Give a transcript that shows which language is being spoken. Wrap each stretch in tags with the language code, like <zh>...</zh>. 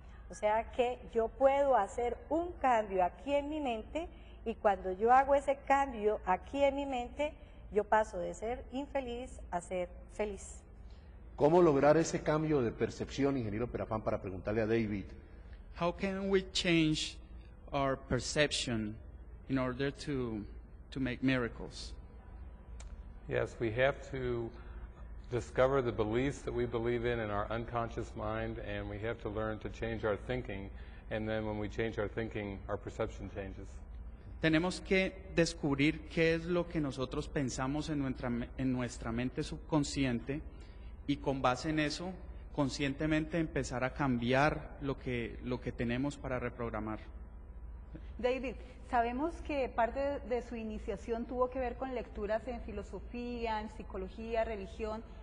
<es>O sea que yo puedo hacer un cambio aquí en mi mente, y cuando yo hago ese cambio aquí en mi mente, yo paso de ser infeliz a ser feliz. ¿Cómo lograr ese cambio de percepción, ingeniero Perafán, para preguntarle a David?</es> <en>How can we change our perception in order to make miracles? Yes, we have to discover the beliefs that we believe in our unconscious mind, and we have to learn to change our thinking, and then when we change our thinking, our perception changes.</en> <es>Tenemos que descubrir qué es lo que nosotros pensamos en nuestra mente subconsciente, y con base en eso conscientemente empezar a cambiar lo que tenemos para reprogramar. David, sabemos que parte de su iniciación tuvo que ver con lecturas en filosofía, en psicología, religión.</es>